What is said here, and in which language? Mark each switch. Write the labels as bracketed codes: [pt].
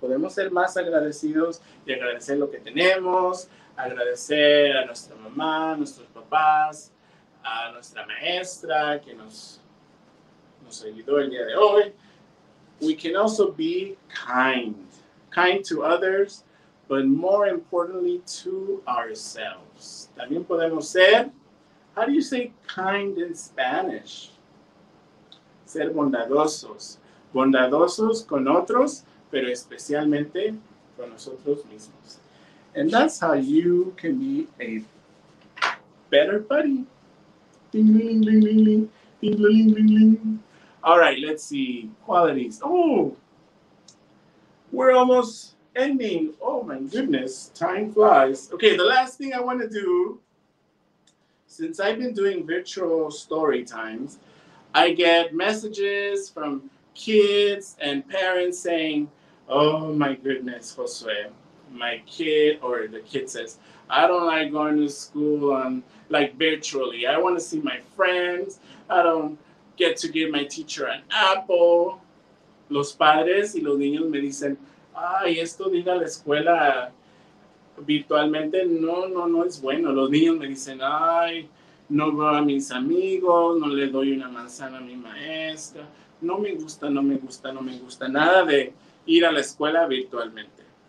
[es] Podemos ser más agradecidos y agradecer lo que tenemos, agradecer a nuestra mamá, a nuestros papás, a nuestra maestra que nos ayudó el día de hoy. [en] We can also be kind. Kind to others, but more importantly to ourselves. [es] También podemos ser, [en] how do you say kind in Spanish? [es] Ser bondadosos. Bondadosos con otros, pero especialmente con nosotros mismos. [en] And that's how you can be a better buddy. Ding, ding, ding, ding, ding, ding, ding, ding, ding, ding. All right, let's see. Qualities. Oh, we're almost ending. Oh, my goodness. Time flies. Okay, the last thing I want to do, since I've been doing virtual story times, I get messages from kids and parents saying, oh my goodness, Josue, my kid, or the kid says, I don't like going to school on, like, virtually. I want to see my friends. I don't get to give my teacher an apple. [es] Los padres y los niños me dicen, ay, esto de ir a la escuela virtualmente, no, no, no es bueno. Los niños me dicen, ay, no veo a mis amigos, no le doy una manzana a mi maestra. No me gusta, no me gusta, no me gusta nada de ir a la escuela virtualmente.